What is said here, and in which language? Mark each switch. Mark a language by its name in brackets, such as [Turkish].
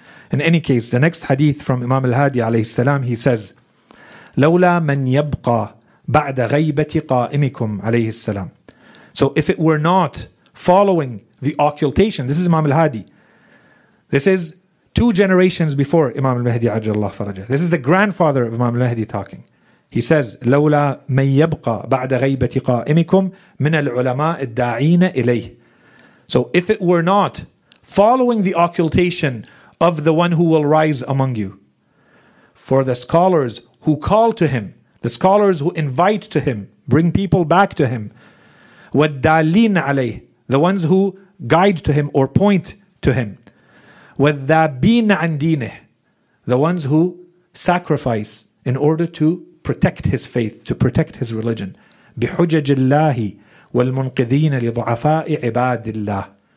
[English] In any case, the next hadith from Imam al-Hadi alayhi salam, he says, [Arabic] لولا من يبقى بعد غيبة قائمكم عليه السلام. [English] So if it were not following the occultation, this is Imam al-Hadi. This is 2 generations before Imam al-Mahdi ajallahu farajah. This is the grandfather of Imam al-Mahdi talking. He says, [Arabic] لولا من يبقى بعد غيبة قائمكم من العلماء الداعين إليه. [English] So if it were not following the occultation of the one who will rise among you, for the scholars who call to him, the scholars who invite to him, bring people back to him, [Arabic] والدالين عليه, [English] the ones who guide to him or point to him, [Arabic] والذابين عن دينه, [English] the ones who sacrifice in order to protect his faith, to protect his religion, [Arabic] بحجج الله والمنقذين لضعفاء عباد الله.